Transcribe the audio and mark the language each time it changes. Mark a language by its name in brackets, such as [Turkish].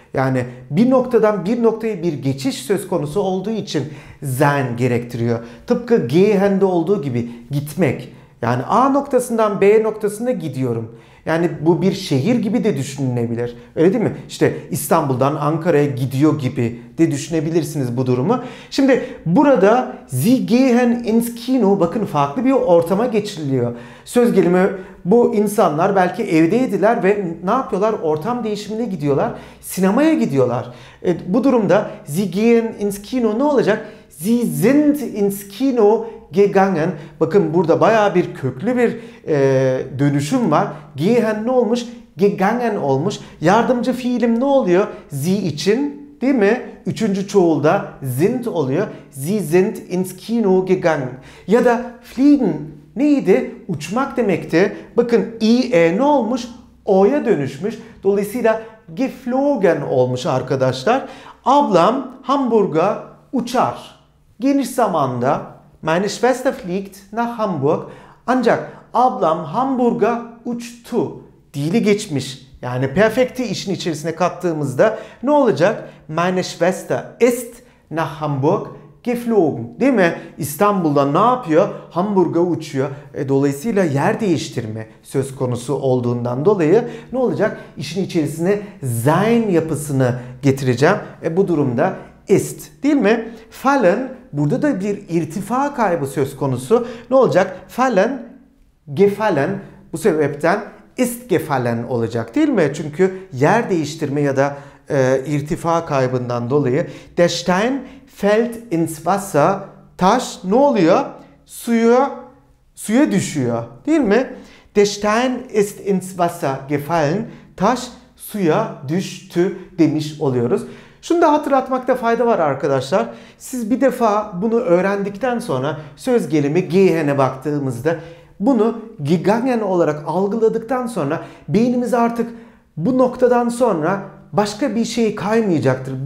[Turkish] Yani bir noktadan bir noktaya bir geçiş söz konusu olduğu için sein gerektiriyor. Tıpkı gehen'de olduğu gibi gitmek. Yani A noktasından B noktasına gidiyorum. Yani bu bir şehir gibi de düşünülebilir. Öyle değil mi? İşte İstanbul'dan Ankara'ya gidiyor gibi de düşünebilirsiniz bu durumu. Şimdi burada [German] Sie gehen ins Kino. [Turkish] Bakın farklı bir ortama geçiriliyor. Söz gelimi bu insanlar belki evdeydiler ve ne yapıyorlar? Ortam değişimine gidiyorlar. Sinemaya gidiyorlar. Bu durumda [German] Sie gehen ins Kino [Turkish] ne olacak? [German] Sie sind ins Kino gegangen. [Turkish] Bakın burada bayağı bir köklü bir dönüşüm var. Gehen ne olmuş? Gegangen olmuş. Yardımcı fiilim ne oluyor? Sie için değil mi? Üçüncü çoğulda sind oluyor. [German] Sie sind ins Kino gegangen. [Turkish] Ya da fliegen neydi? Uçmak demekti. Bakın ie ne olmuş? O'ya dönüşmüş. Dolayısıyla geflogen olmuş arkadaşlar. Ablam Hamburg'a uçar. Geniş zamanda [German] meine Schwester fliegt nach Hamburg. [Turkish] Ancak ablam Hamburg'a uçtu. Dili geçmiş. Yani perfekti işin içerisine kattığımızda ne olacak? [German] Meine Schwester ist nach Hamburg geflogen. [Turkish] Değil mi? İstanbul'da ne yapıyor? Hamburg'a uçuyor. Dolayısıyla yer değiştirme söz konusu olduğundan dolayı ne olacak? İşin içerisine sein yapısını getireceğim. Bu durumda ist. Değil mi? Fallen burada da bir irtifa kaybı söz konusu. Ne olacak? Fallen, gefallen bu sebepten [German] ist gefallen [Turkish] olacak değil mi? Çünkü yer değiştirme ya da irtifa kaybından dolayı. [German] Der Stein fällt ins Wasser. [Turkish] Taş ne oluyor? Suya düşüyor değil mi? [German] Der Stein ist ins Wasser gefallen. [Turkish] Taş suya düştü demiş oluyoruz. Şunu da hatırlatmakta fayda var arkadaşlar. Siz bir defa bunu öğrendikten sonra söz gelimi gehen'e baktığımızda bunu gegangen olarak algıladıktan sonra beynimiz artık bu noktadan sonra başka bir şey kaymayacaktır.